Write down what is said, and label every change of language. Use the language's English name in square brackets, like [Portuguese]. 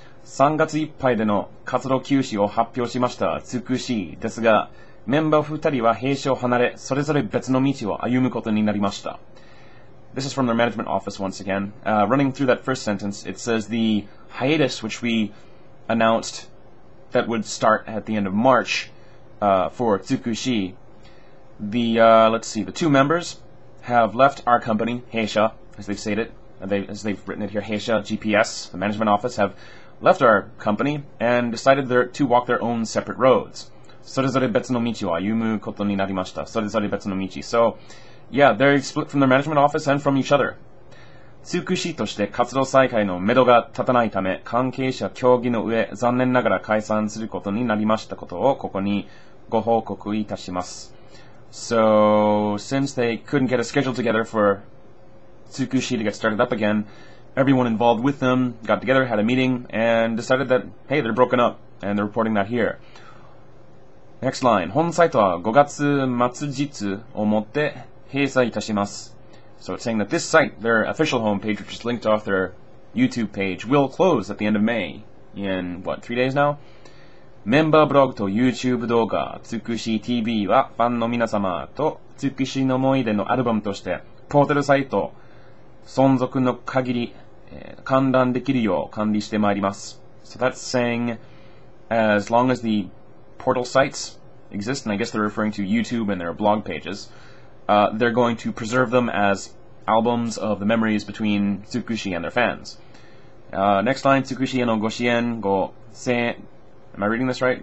[Japanese] 3月いっぱいでの活動休止を発表しました、つくしですが、メンバー2人は兵士を離れ、それぞれ別の道を歩むことになりました。 [English] This is from their management office once again. Running through that first sentence, it says the hiatus which we announced that would start at the end of March for つくし. The two members have left our company, 兵士, as they've stated, as they've written it here, 兵士, GPS, the management office, have... left our company and decided to walk their own separate roads. [Japanese] それぞれ別の道を歩むことになりました。それぞれ別の道。 [English] So, yeah, they're split from their management office and from each other. [Japanese] つくしとして活動再開のめどが立たないため、関係者協議の上、残念ながら解散することになりましたことをここにご報告いたします。 [English] So, since they couldn't get a schedule together for つくしto get started up again,Everyone involved with them got together, had a meeting, and decided that, hey, they're broken up, and they're reporting that here. Next line. [Japanese] 本サイトは5月末日をもって閉鎖いたします。 [English] So it's saying that this site, their official homepage, which is linked off their YouTube page, will close at the end of May. In, what, 3 days now? [Japanese] メンバーブログと YouTube 動画、つくし TV はファンの皆様とつくしの思い出のアルバムとして、ポータルサイト、存続の限り、観覧できるよう管理してまいります。 [English] So that's saying, as long as the portal sites exist, and I guess they're referring to YouTube and their blog pages, they're going to preserve them as albums of the memories between Tsukushi and their fans. Next line, Tsukushi [Japanese] へのご支援、ご声援、 [English] Am I reading this right?